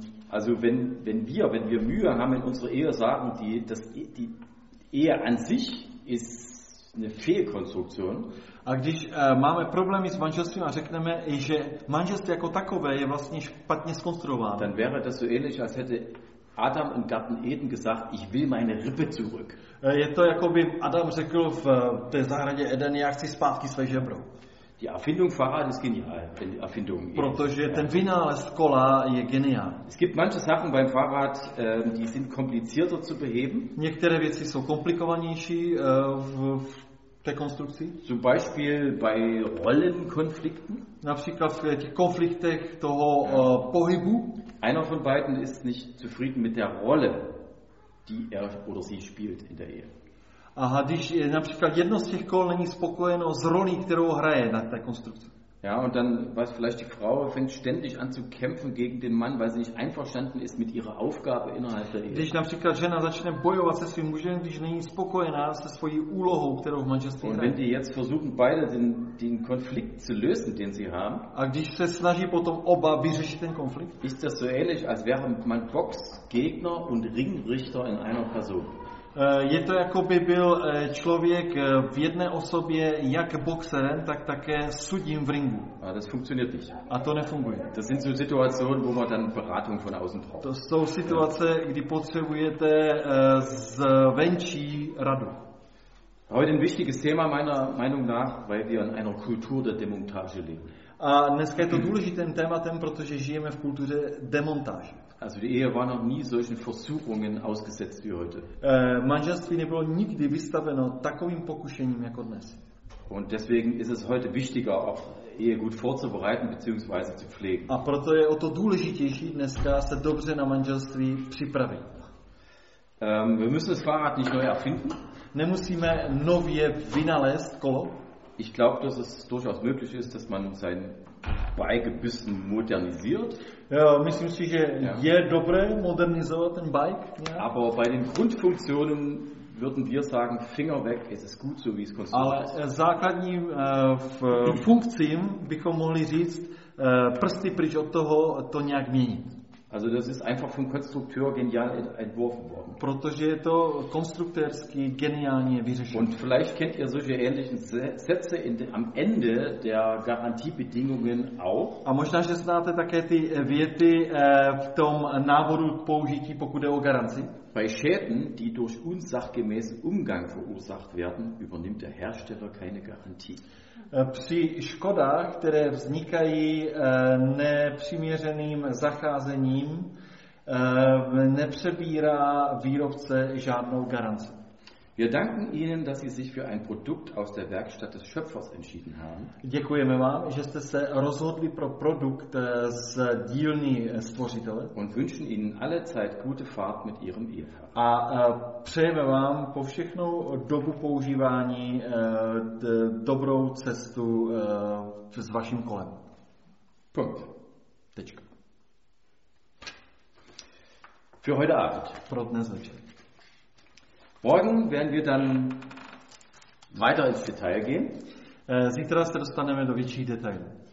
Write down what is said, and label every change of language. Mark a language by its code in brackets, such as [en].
[de] Also wenn wir Mühe haben in unserer Ehe, sagen die, dass die Ehe an sich ist eine Fehlkonstruktion. [cs] A když máme problémy s manželstvím a řekneme, že manželství jako takové je vlastně špatně zkonstruováno. [de] Dann wäre das so ähnlich, als hätte Adam im Garten Eden gesagt, ich will meine Rippe zurück. [cs] Je to jako by Adam řekl v té zahradě Eden, já chci zpátky své žebro. [de] Die Erfindung Fahrrad ist genial, denn die Erfindung. [cs] Protože ten vynález kola je genial. [de] Es gibt manche Sachen beim Fahrrad, die sind komplizierter zu beheben. [cs] Některé věci jsou komplikovanější v té konstrukci. [de] Zum Beispiel bei Rollenkonflikten. [cs] Například v těch konfliktech toho pohybu. [de] Einer von beiden ist nicht zufrieden mit der Rolle, die er oder sie spielt in der Ehe. [cs] Aha, když je například jedno z těch kol není spokojeno s rolí, kterou hraje na té konstrukci. [de] Ja, und dann weiß vielleicht die Frau fängt ständig an zu kämpfen gegen den Mann, weil sie nicht einverstanden ist mit ihrer Aufgabe innerhalb der Ehe. [cs] Když například žena začne bojovat se svým mužem, když není spokojená se svojí úlohou, kterou v manželství hraje. [de] Und wenn die jetzt versuchen beide den Konflikt zu lösen, den sie haben. [cs] A když se snaží potom oba vyřešit ten konflikt. [de] Ist das so ähnlich, als wäre man Boxgegner und Ringrichter in einer Person. [cs] Je to jako by byl člověk v jedné osobě jak boxerem, tak také sudím v ringu. [de] A das funktioniert nicht. [cs] A to nefunguje. [de] Das sind so Situationen, wo man dann Beratung von außen braucht. [cs] To jsou situace, kdy potřebujete zvenčí radu. [de] Heute ein wichtiges Thema meiner Meinung nach, weil wir in einer Kultur der Demontage leben. [cs] A dneska je to důležitým tématem, protože žijeme v kultuře demontáže. [de] Also die Ehe war noch nie solchen Versuchungen ausgesetzt wie heute. [cs] Manželství nebylo nikdy vystaveno takovým pokušením jako dnes. [de] Und deswegen ist es heute wichtiger, auch Ehe gut vorzubereiten bzw. zu pflegen. [cs] A proto je o to důležitější dneska se dobře na manželství připravit. [de] Wir müssen das Fahrrad nicht neu erfinden. [cs] Nemusíme nově vynalézt kolo. [de] Ich glaube, dass es durchaus möglich ist, dass man sein Bike ein bisschen modernisiert. [cs] Ja, myslím si, že je dobré modernizovat ten bike. [de] Ja. Aber bei den Grundfunktionen würden wir sagen, Finger weg, es ist gut so, wie es konstruiert. [cs] Ale základní funkcím bychom mohli říct, prsty pryč od toho, to nějak měnit. [de] Also das ist einfach vom Konstrukteur genial entworfen worden. [cs] Protože je to konstruktérsky geniálně vyřešené. [de] Und vielleicht kennt ihr solche ähnlichen Sätze am Ende der Garantiebedingungen auch. [cs] A možná, že znáte také ty věty v tom návodu k použití, pokud jde o garanci. [de] Bei Schäden, die durch unsachgemäßen Umgang verursacht werden, übernimmt der Hersteller keine Garantie. [cs] Při škodách, které vznikají nepřiměřeným zacházením, nepřebírá výrobce žádnou garanci. [de] Wir danken Ihnen, dass Sie sich für ein Produkt aus der Werkstatt des Schöpfers entschieden haben. [cs] Děkujeme vám, že jste se rozhodli pro produkt z dílny stvořitele. [de] Und wünschen Ihnen alle Zeit gute Fahrt mit Ihrem Ehepartner. [cs] A přejeme vám po všechnu dobu používání dobrou cestu s vaším kolem. [de] Punkt. [cs] Tečka. [de] Für heute Abend. [cs] Pro dnes večer. [de] Morgen werden wir dann weiter ins Detail gehen. [cs] Zítra se dostaneme do větších detailů.